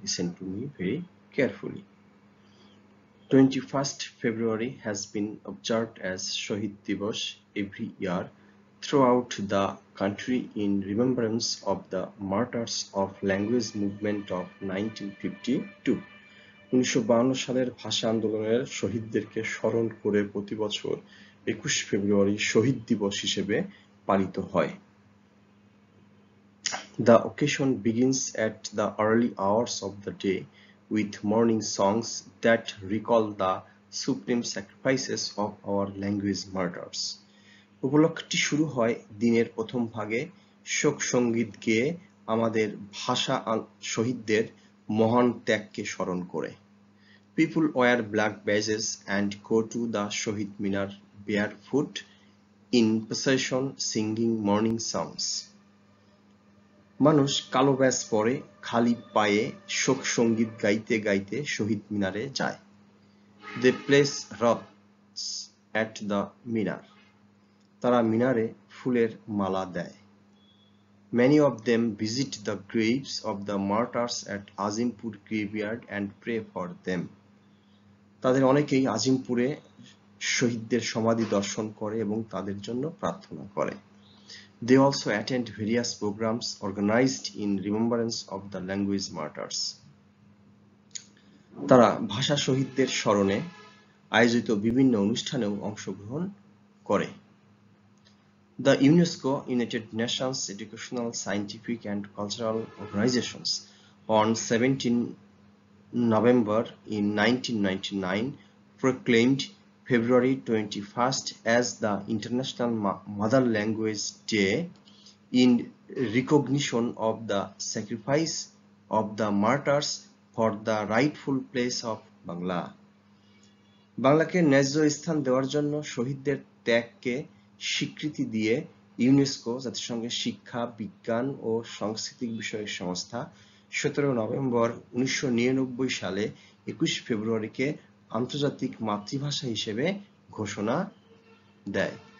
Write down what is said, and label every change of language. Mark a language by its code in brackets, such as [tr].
[en] Listen to me very carefully. 21st February has been observed as Shahid Divas every year throughout the country in remembrance of the martyrs of language movement of 1952. [bn] 1952 সালের ভাষা আন্দোলনের শহীদদেরকে স্মরণ করে প্রতি বছর 21 ফেব্রুয়ারি শহীদ দিবস হিসেবে পালিত হয়। [en] The occasion begins at the early hours of the day with morning songs that recall the supreme sacrifices of our language martyrs. [bn] উপলক্ষটি শুরু হয় দিনের প্রথম ভাগে শোক সঙ্গীত গেয়ে আমাদের ভাষা শহীদদের মহান ত্যাগকে স্মরণ করে। [en] People wear black badges and go to the Shahid Minar barefoot in procession singing morning songs. [bn] মানুষ কালো ব্যাজ পরে খালি পায়ে শোক সঙ্গীত গাইতে গাইতে শহীদ মিনারে যায়। [en] They place wreaths at the Minar. [bn] তারা মিনারে ফুলের মালা দেয়। [en] Many of them visit the graves of the martyrs at Azimpur graveyard and pray for them. [bn] তাদের অনেকেই আজিমপুরে শহীদদের সমাধি দর্শন করে এবং তাদের জন্য প্রার্থনা করে। [en] They also attend various programs organized in remembrance of the language martyrs. [bn] তারা ভাষা শহীদদের স্মরণে আয়োজিত বিভিন্ন অনুষ্ঠানেও অংশগ্রহণ করে। [en] The UNESCO, United Nations Educational, Scientific and Cultural Organizations, on 17 November in 1999, proclaimed February 21st as the International Mother Language Day in recognition of the sacrifice of the martyrs for the rightful place of Bangla. [bn] বাংলাকে ন্যায্য স্থান দেওয়ার জন্য শহীদদের ত্যাগকে স্বীকৃতি দিয়ে UNESCO জাতিসংঘের শিক্ষা বিজ্ঞান ও সাংস্কৃতিক বিষয়ের সংস্থা 17 নভেম্বর 1999 সালে 21 ফেব্রুয়ারিকে আন্তর্জাতিক মাতৃভাষা হিসেবে ঘোষণা দেয়।